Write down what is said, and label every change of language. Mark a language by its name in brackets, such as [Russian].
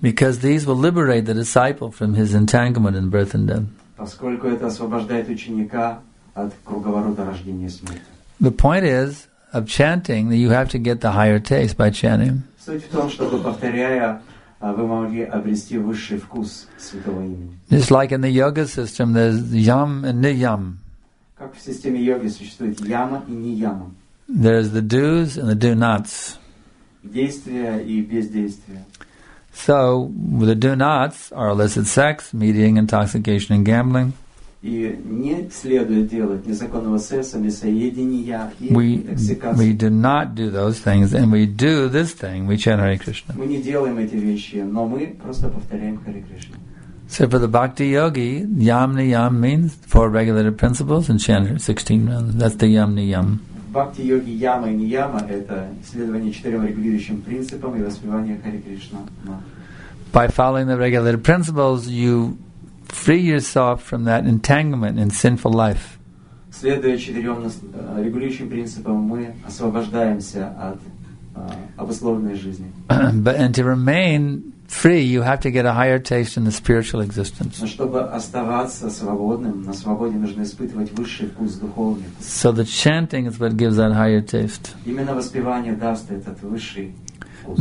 [English] Because these will liberate the disciple from his entanglement in birth and death. [Russian] Поскольку это освобождает ученика от круговорота рождения и смерти. [English] The point is of chanting that you have to get the higher taste by chanting. [Russian] Суть в том, чтобы повторяя, вы могли обрести высший вкус святого имени. [English] It's like in the yoga system, there's yam and niyam. [Russian] Как в системе йоги существует яма и нияма. [English] There's the do's and the do nots. [Russian] Действия и бездействия. [English] So the do nots are illicit sex, meat eating, intoxication, and gambling. [Russian] И не следует делать незаконного секса, мясоедения и интоксикации. [English] We do not do those things, and we do this thing, we chant Hare Krishna. [Russian] Мы не делаем эти вещи, но мы просто повторяем Hare Krishna. [English] So for the bhakti yogi, yam niyam means four regulated principles and chant 16 rounds. That's the yam niyam. [Russian] Bhakti yogi yama и niyama – это следование четырем регулирующим принципам и воспевание Hare Krishna. [English] By following the regulated principles, you free yourself from that entanglement in sinful life. [Russian] Следуя четырем регулирующим принципам, мы освобождаемся от обусловленной жизни. [English] But and to remain free, you have to get a higher taste in the spiritual existence. [Russian] Но чтобы оставаться свободным, на свободе нужно испытывать высший вкус духовный. [English] So the chanting is what gives that higher taste. [Russian] Именно воспевание даст этот высший вкус.